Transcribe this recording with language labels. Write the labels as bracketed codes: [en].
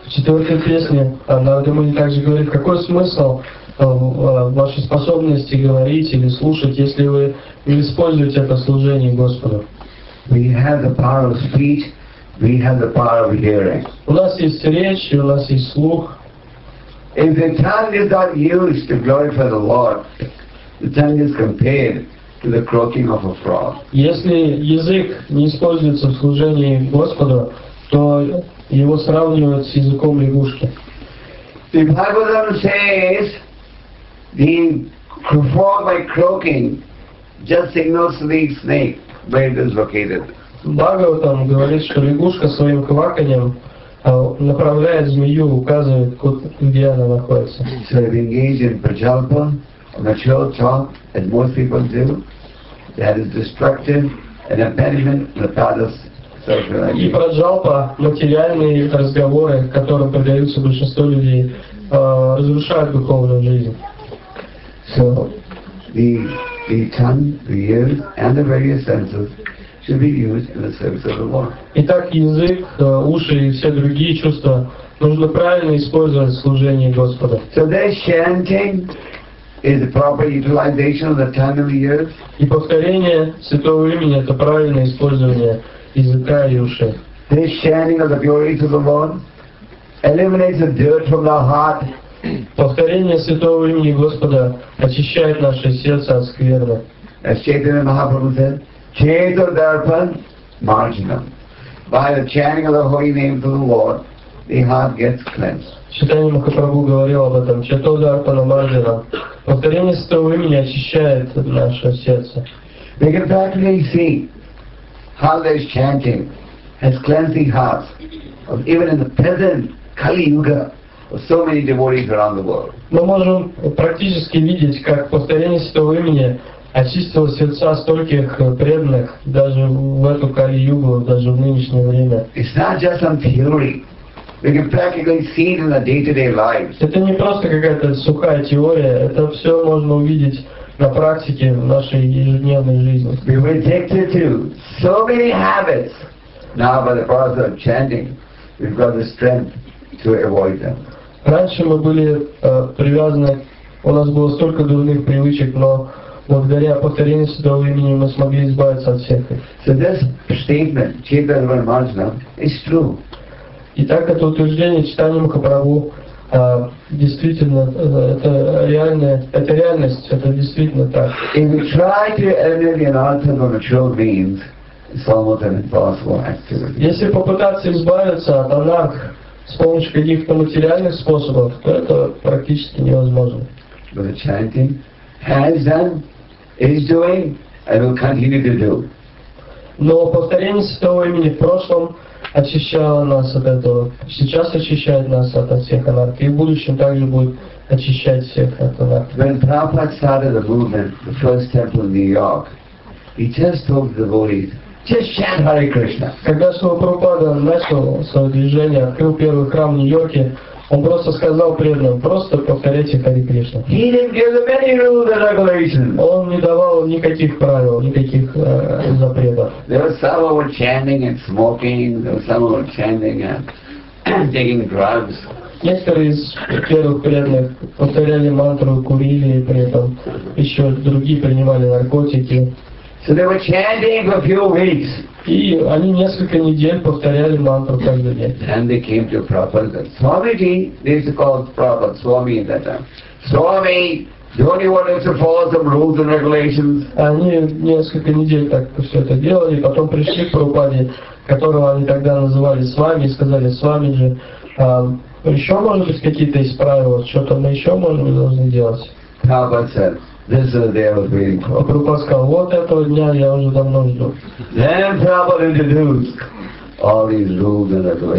[ru] В четвертой песне Нарада Муни также говорит, какой смысл вашей способности говорить или слушать, если вы не используете это в служении Господу? [en] We have the power of speech, we have the power of hearing. [ru] У нас есть речь, у нас есть слух. [en] If the tongue is not used to glorify the Lord, the tongue is compared to the croaking of a frog. [ru] Если язык не используется в служении Господу, то его сравнивают с языком лягушки. [en] The Bhagavatam says the frog by croaking just signals the snake where it is located. [ru] Бхагаватам говорит, что лягушка своим кваканьем направляет змею, указывает, где она находится. [en] So if you engage in prajalpa, material talk, as most people do, that is destructive and impediment to the path of self-realization. [ru] И праджалпа, материальные разговоры, которым предаются большинство людей, разрушают духовную жизнь. [en] So, the tongue, the ears, and the various senses should be used in the service of the Lord. [ru] Итак, язык, уши и все другие чувства нужно правильно использовать в служении Господа. [en] So they're chanting is the proper utilization of the tongue and the ears. [ru] И повторение святого имени – это правильное использование языка и ушей. [en] This chanting of the glories of the Lord eliminates the dirt from the heart. [ru] Повторение святого имени Господа очищает наше сердце от скверны. [en] As Chaitanya Mahaprabhu said, Chetur Darpan Marjanam. By the chanting of the holy names of the Lord, the heart gets cleansed. [ru] Читание Махапрабху говорил об этом. Чатодарпана Марджана. Повторение святого имени очищает наше сердце. [en] We can practically see how this chanting has cleansed the hearts of even in the present Kali-Yuga of so many devotees around the world. [ru] Мы можем практически видеть, как повторение святого имени очистило сердца стольких преданных даже в эту Кали-Югу, даже в нынешнее время. [en] It's not just some theory. We can practically see it in our day-to-day lives. [ru] Это не просто какая-то сухая теория, это все можно увидеть на практике в нашей ежедневной жизни. [en] We're addicted to so many habits. Now by the process of chanting, we've got the strength to avoid them. [ru] Раньше мы были привязаны, у нас было столько дурных привычек, но благодаря повторению святого имени мы смогли избавиться от всех их. [en] So this statement, Chaitanya Mahaprabhu, is true. [ru] Итак, это утверждение Чайтанья Махапрабху действительно это реальное, это реальность, это действительно так. [en] If we try to emulate an altar of mature beings, it's almost an impossible activity. [ru] Если попытаться избавиться от анарх с помощью каких-то материальных способов, то это практически невозможно. [en] But the chanting has done, is doing, and will continue to do. [ru] Но повторение святого имени в прошлом очищало нас от этого. Сейчас очищает нас от всех анарх. И в будущем также будет очищать всех от анарх. [en] When Prabhupada started the movement, the first temple in New York, he just told the devotees, just chant Hare Krishna. [ru] Когда Шрила Прабхупада начал свое движение, открыл первый храм в Нью-Йорке, он просто сказал преданным, просто повторяйте Хари Кришна. [en] He didn't give them any rules and regulations. [ru] Он не давал никаких правил, никаких запретов. [en] There was some who were chanting and smoking, there was some who were chanting and taking drugs. [ru] Некоторые из первых преданных повторяли мантру, курили, и при этом еще другие принимали наркотики. [en] So they were chanting for a few weeks. [ru] И они несколько недель повторяли мантру каждый день. [en] And they came to Prabhupada. Swamiji, they used to call Prabhupada, Swami at that time. Swami, don't you want us to follow some rules and regulations? [ru] Они несколько недель так все это делали, потом пришли к Прабхупаде, которого они тогда называли Свами, и сказали, Свамиджи, еще может быть какие-то из правил, что-то мы еще можем должны делать. [en] Prabhupada said, this is the day I was waiting for. [ru] Prabhupada сказал, вот этого дня я уже давно жду. [en] Then Prabhupada introduced all these rules and regulations.